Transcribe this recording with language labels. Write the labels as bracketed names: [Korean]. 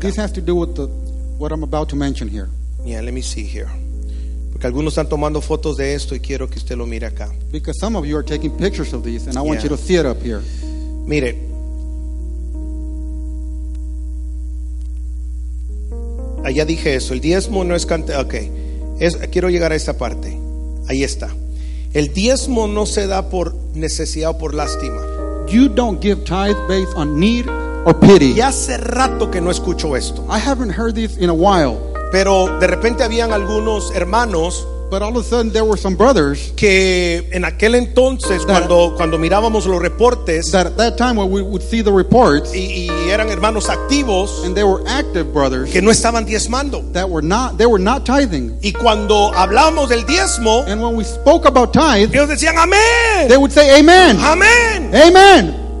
[English] This has to do with what I'm about to mention here. Yeah, let me see here. [Spanish] Porque algunos están tomando fotos de esto y quiero que usted lo mire acá. [English] Because some of you are taking pictures of these and I want you to see it up here. [Spanish] Mire. Allá dije eso, el diezmo no es cantidad. Okay. Quiero llegar a esta parte. Ahí está. El diezmo no se da por necesidad o por lástima. [English] You don't give tithe based on need or pity. [Spanish] Ya hace rato que no escucho esto. [English] I haven't heard this in a while. [Spanish] Pero de repente habían algunos hermanos. [English] But all of a sudden there were some brothers. [Spanish] Que en aquel entonces cuando mirábamos los reportes. [English] That at that time when we would see the reports. [Spanish] Y eran hermanos activos. [English] And they were active brothers. [Spanish] Que no estaban diezmando. [English] They were not tithing. [Spanish] Y cuando hablábamos del diezmo. [English] And when we spoke about tithe. [Spanish] Ellos decían amén. [English] They would say amen. [Spanish] Amén. [English] Amen.